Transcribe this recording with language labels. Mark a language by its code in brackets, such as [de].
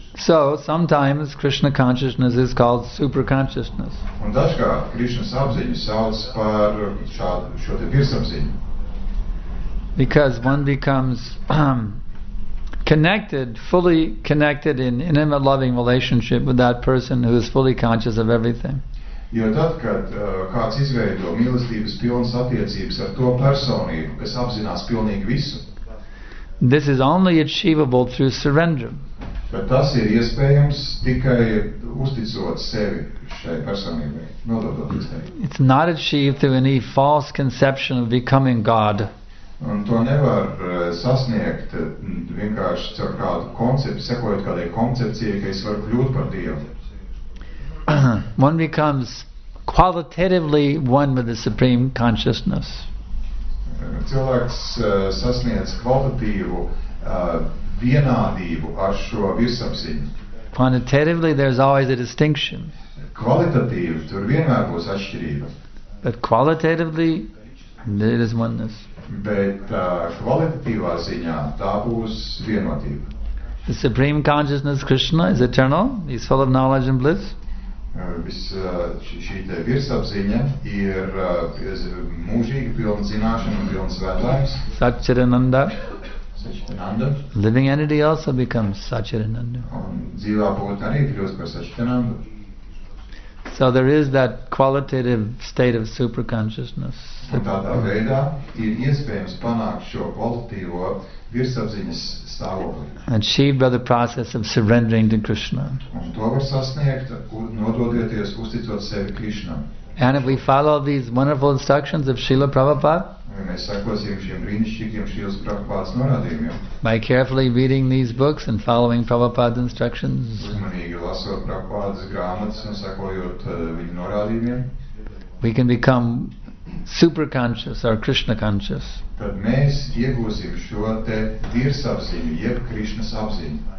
[en] So, sometimes Krishna consciousness is called super consciousness. [lv] Un dažkārt Krishna apziņu sauc par šo te virsapziņu. [en] Because one becomes connected, fully connected in intimate loving relationship with that person who is fully conscious of everything. [lv] Jo tad, kad kāds izveido mīlestības pilnas attiecības ar to personību, kas apzinās pilnīgi visu. [en] This is only achievable through surrender. [lv] Bet tas ir iespējams tikai uzticot sevi šai personībai, nododot sevi. [en] It's not achieved through any false conception of becoming God. [lv] Un to nevar sasniegt vienkārši caur kādu koncepciju, sekojot kādai koncepcijai, ka es varu kļūt par Dievu. [en] One becomes qualitatively one with the Supreme Consciousness. [lv] Cilvēks sasniedz kvalitatīvu vienādību ar šo virsapziņu. [en] Quantitatively, there's always a distinction. [lv] Kvalitatīvi, tur vienmēr būs atšķirība. [en] But qualitatively, there is oneness. [lv] Bet kvalitatīvā ziņā tā būs vienotība. [en] The Supreme Consciousness, Krishna, is eternal. He's full of knowledge and bliss. [lv] Šī te virsapziņa ir mūžīgi pilna zināšana un pilna svētlājums. [sa] Sacharananda. Sacharananda. [en] Living entity also becomes Sacharananda. [lv] Un dzīvā būtu arī kļūst par Sacharananda. [en] So there is that qualitative state of superconsciousness. [lv] Un tādā veidā ir iespējams panākt šo kvalitīvo virsapziņas stāvokli. [en] Achieved by the process of surrendering to Krishna. [lv] Un to var sasniegt, nododoties, uzticot sevi Krishna. [en] And if we follow these wonderful instructions of Srila Prabhupada, [lv] ja mēs sekosim šiem brīnišķīgiem Srila Prabhupādas norādījumiem, [en] by carefully reading these books and following Prabhupada's instructions, [lv] uzmanīgi lasot Prabhupādas grāmatas un sekojot viņu norādījumiem, [en] we can become super conscious or Krishna conscious. [lv] Tad mēs iegūsim šo te virsapziņu, jeb Krishna apziņu.